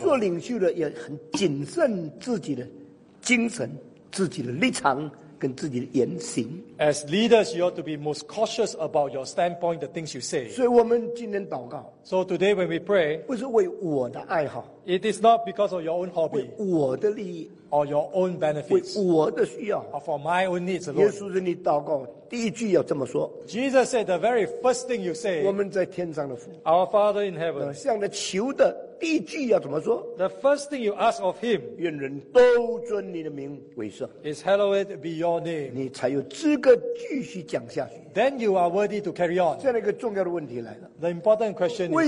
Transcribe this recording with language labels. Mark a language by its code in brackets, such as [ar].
[zh] 做领袖的也很谨慎自己的精神、自己的立场跟自己的言行。 [en] As leaders, you ought to be most cautious about your standpoint, the things you say. [zh] 所以我们今天祷告， [en] So today when we pray, [zh] 不是为我的爱好， [en] It is not because of your own hobby, [zh] 为我的利益， [en] Or your own benefits, [zh] 为我的需要， [en] Or for my own needs, Lord. [zh] 耶稣对你祷告第一句要这么说， [en] Jesus said the very first thing you say, [zh] 我们在天上的父， [en] Our Father in heaven, [zh] 向着求的第一句要怎么说？ [en] The first thing you ask of him, [zh] 愿人都尊你的名为圣， [en] is hallowed be your name. [zh] 你才有资格继续讲下去。 [en] Then you are worthy to carry on. [zh] 这样一个重要的问题来了。 [en] The important question is,